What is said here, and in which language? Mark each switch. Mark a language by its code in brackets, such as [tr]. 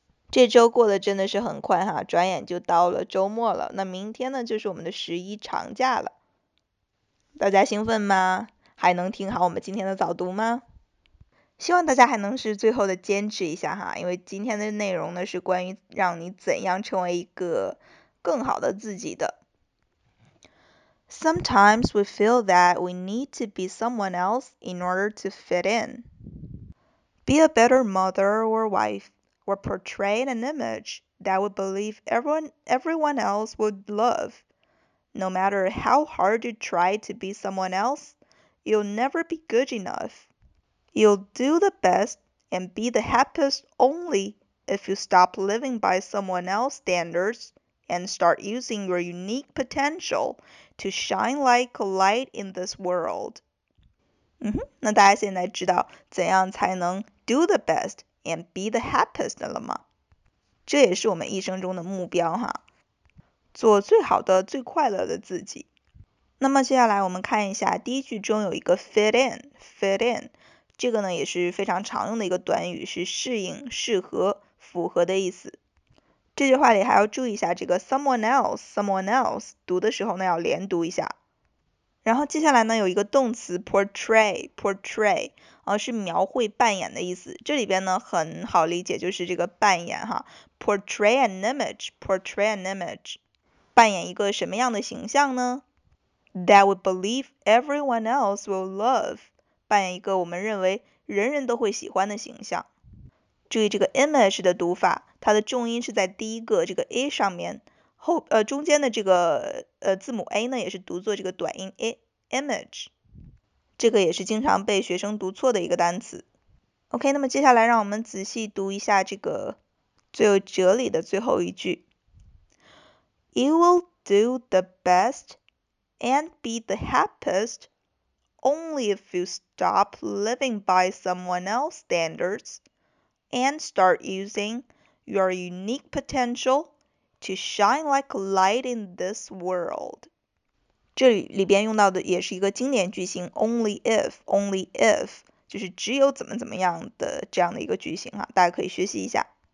[zh] 这周过得真的是很快哈，转眼就到了周末了，那明天呢就是我们的十一长假了。大家兴奋吗？还能听好我们今天的早读吗？希望大家还能是最后的坚持一下哈，因为今天的内容呢是关于让你怎样成为一个更好的自己的。 [en] Sometimes we feel that we need to be someone else in order to fit in. Be a better mother or wife, or portray an image that we believe everyone else would love. No matter how hard you try to be someone else, you'll never be good enough. You'll do the best and be the happiest only if you stop living by someone else's standards and start using your unique potential to shine like a light in this world. [zh] 那大家现在知道怎样才能 [en] do the best and be the happiest [zh] 了吗？这也是我们一生中的目标哈，做最好的、最快乐的自己。那么接下来我们看一下第一句中有一个 fit in， 这个呢也是非常常用的一个短语，是适应、适合、符合的意思。这句话里还要注意一下这个 someone else 读的时候呢要连读一下。然后接下来呢有一个动词 portray、是描绘、扮演的意思。这里边呢很好理解，就是这个扮演哈， [en] portray an image [zh] 扮演一个什么样的形象呢？ [en] That we believe everyone else will love， [zh] 扮演一个我们认为人人都会喜欢的形象。注意这个 image 的读法，它的重音是在第一个这个 a 上面，中间的这个字母 a 呢也是读作这个短音 a，image， 这个也是经常被学生读错的一个单词。 OK， 那么接下来让我们仔细读一下这个最有哲理的最后一句 ： [en] You will do the best and be the happiest only if you stop living by someone else's standards and start using your unique potential to shine like light in this world. [zh] 这里边用到的也是一个经典句型 only if, 就是只有怎么怎么样的这样的一个句型哈，大家可以学习一下。